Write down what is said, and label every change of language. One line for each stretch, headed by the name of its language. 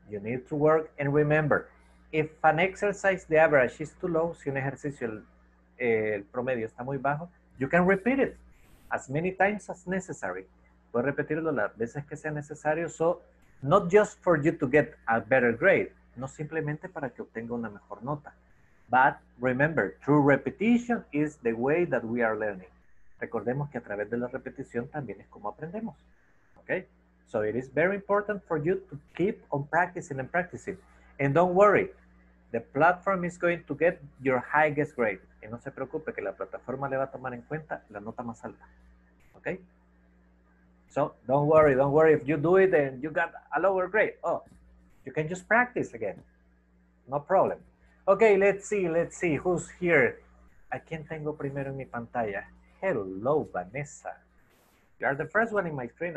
English: You need to work and remember. If an exercise, the average is too low,
Spanish: si un ejercicio, el promedio está muy bajo,
English: you can repeat it as many times as necessary.
Spanish: puede repetirlo las veces que sea necesario.
English: So, not just for you to get a better grade,
Spanish: no simplemente para que obtenga una mejor nota.
English: But remember, through repetition is the way that we are learning.
Spanish: Recordemos que a través de la repetición también es como aprendemos.
English: Okay? So it is very important for you to keep on practicing and practicing. And don't worry, the platform is going to get your highest grade.
Spanish: Y no se preocupe que la plataforma le va a tomar en cuenta la nota más alta.
English: Okay? So don't worry if you do it and you got a lower grade. Oh, you can just practice again. No problem. Okay, let's see who's here.
Spanish: ¿A quién tengo primero en mi pantalla?
English: Hello, Vanessa. You are the first one in my screen.